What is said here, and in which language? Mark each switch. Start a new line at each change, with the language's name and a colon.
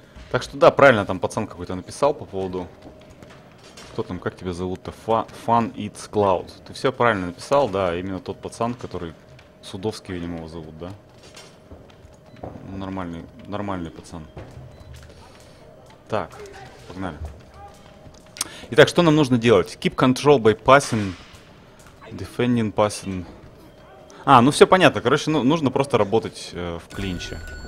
Russian: Так что да, правильно там пацан какой-то написал по поводу... Кто там, как тебя зовут-то?
English: Fun It's Cloud.
Russian: Ты все правильно написал, да, именно тот пацан, который Судовский, видимо, его зовут, да? Нормальный пацан. Так, погнали. Итак, что нам нужно делать?
English: Keep control by passing, defending passing.
Russian: А, ну все понятно, короче, ну, нужно просто работать в клинче.